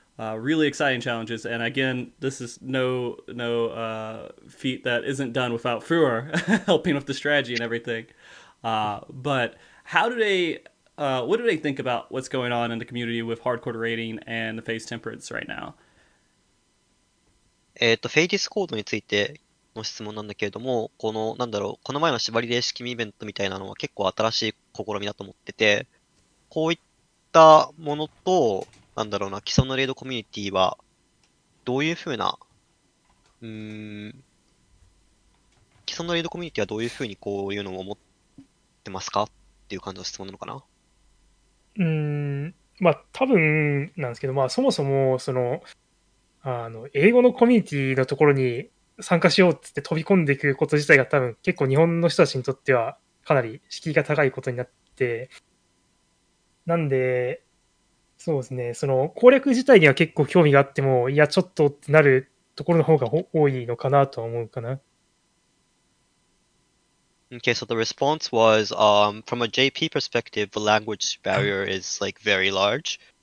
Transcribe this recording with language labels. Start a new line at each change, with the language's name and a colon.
English: Really exciting challenges. And again, this is no feat that isn't done without Fruar helping with the strategy and everything. But how do they... what do they think about what's going on in the community with hardcore raiding and the phase temperance right now?
Japanese: フェイディスコードについての質問なんだけれども、この、なんだろう、この前の縛りレーシキミイベントみたいなのは結構新しい試みだと思ってて、こういったものと、なんだろうな、既存のレイドコミュニティは、どういうふうな、既存のレイドコミュニティはどういうふうにこういうのを思ってますかっていう感じの質問なのかな。まあ多分なんですけど、まあそもそもあの英語のコミュニティのところに参加しようっつって飛び込んでいくこと自体が多分結構日本の人たちにとってはかなり敷居が高いことになって、なんで、そうですね、その攻略自体には結構興味があっても、いやちょっとってなるところの方が多いのかなとは思うかな。
English: Okay, so the response was, from a JP perspective, the language barrier is like very large.